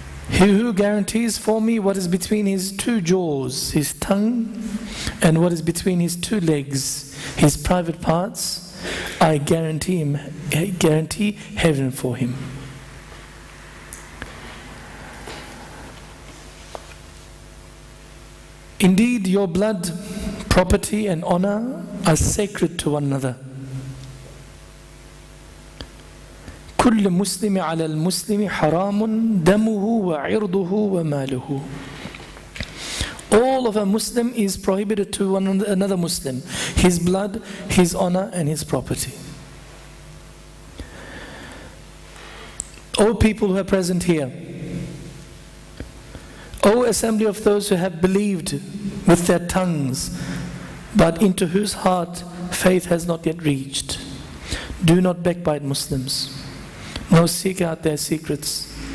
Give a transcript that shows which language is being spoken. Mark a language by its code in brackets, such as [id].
[en] He who guarantees for me what is between his two jaws, his tongue, and what is between his two legs, his private parts, I guarantee him, guarantee heaven for him. Indeed, your blood, property, and honor are sacred to one another. [ar] كل مسلم على المسلم حرام دمه وعرضه وماله. [en] All of a Muslim is prohibited to one another Muslim. His blood, his honor, and his property. O people who are present here, O assembly of those who have believed with their tongues, but into whose heart faith has not yet reached, do not backbite Muslims, nor seek out their secrets.